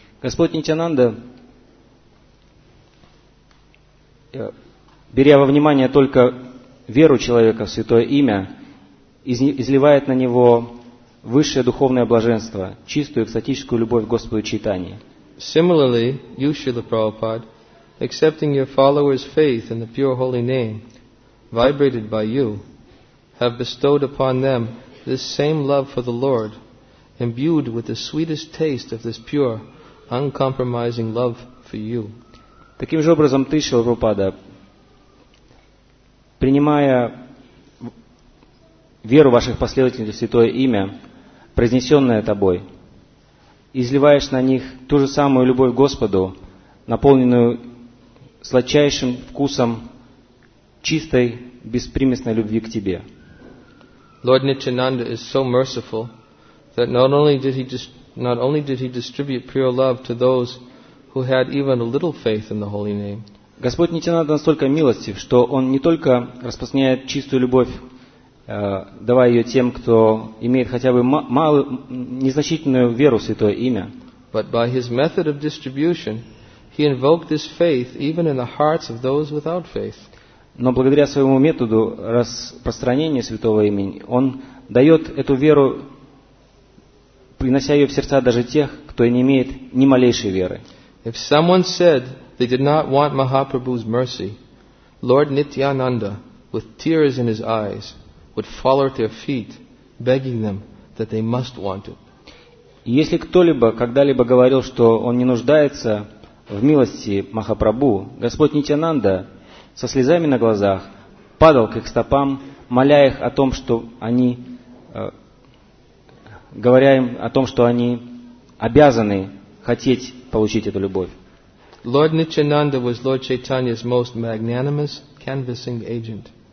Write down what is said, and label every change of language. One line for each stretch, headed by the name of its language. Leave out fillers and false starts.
Russian: Господь Нитьянанда, беря во внимание только веру человека в святое имя, изливает на него высшее духовное блаженство, чистую экстатическую любовь к Господу Чайтанье.
English: Similarly, you, Srila Prabhupada, accepting your followers' faith in the pure holy name, vibrated by you, have bestowed upon them this same love for the Lord, imbued with the sweetest taste of this pure, uncompromising love for you.
Russian: Таким же образом, ты, Шрила Прабхупада, принимая веру ваших последователей в святое имя, произнесенное тобой, изливаешь на них ту же самую любовь к Господу, наполненную сладчайшим вкусом чистой, беспримесной любви к тебе.
English: Lord Nityananda is so merciful that not only did he distribute pure love to those who had even a little faith in the holy name.
Russian: Господь Нитьянанда настолько милостив, что он не только распространяет чистую любовь, давая ее тем, кто имеет хотя бы малую, незначительную веру в святое имя.
English: But by his method of distribution, he invoked this faith even in the hearts of those without faith.
Russian: Но благодаря своему методу распространения святого имени, он дает эту веру, принося ее в сердца даже тех, кто не имеет ни малейшей веры.
English: If someone said they did not want Mahaprabhu's mercy, Lord Nityananda, with tears in his eyes, would fall at their feet, begging them that they must want it.
Russian: Если кто-либо когда-либо говорил, что он не нуждается в милости Махапрабху, Господь Нитьянанда со слезами на глазах падал к их стопам, моля их о том, что они, говоря им о том, что они обязаны хотеть получить эту любовь.
English: Lord Nityananda was Lord Chaitanya's most magnanimous canvassing agent.